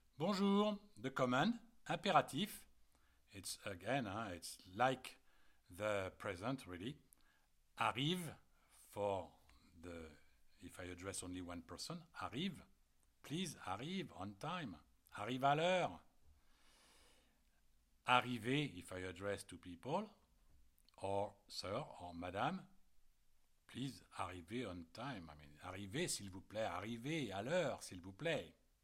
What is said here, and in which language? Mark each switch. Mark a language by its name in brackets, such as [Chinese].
[English] Bonjour, the command, impératif. It's again, it's like the present, really. Arrive for the, if I address only one person, arrive. Please, arrive on time. [French] Arrive à l'heure. [English] Arriver, if I address two people, or sir or madame, please, arrivez on time. I mean, [French] arrivez, s'il vous plaît. Arrivez à l'heure, s'il vous plaît.